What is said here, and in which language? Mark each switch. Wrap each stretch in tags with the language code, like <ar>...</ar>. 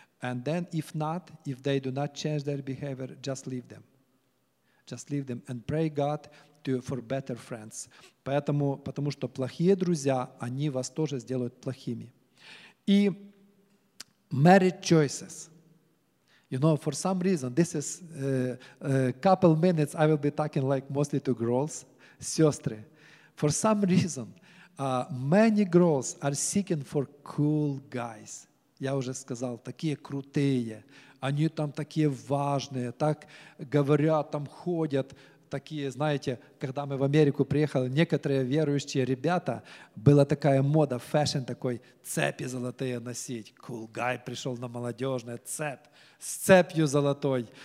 <en>And then if they do not change their behavior, just leave them. Just leave them and pray God for better friends.</en> <ru>Потому что плохие друзья, они вас тоже сделают плохими.</ru> <en>И married choices. You know, for some reason, this is couple minutes I will be talking like mostly to girls, сестры. For some reason, many girls are seeking for cool guys.</en> <ru>Я уже сказал, такие крутые, они там такие важные, так говорят, там ходят, такие, знаете, когда мы в Америку приехали, некоторые верующие ребята, была такая мода, фэшн такой, цепи золотые носить.</ru> <en>Cool guy</en> <ru>пришел на молодежное, цепь, с цепью золотой.</ru>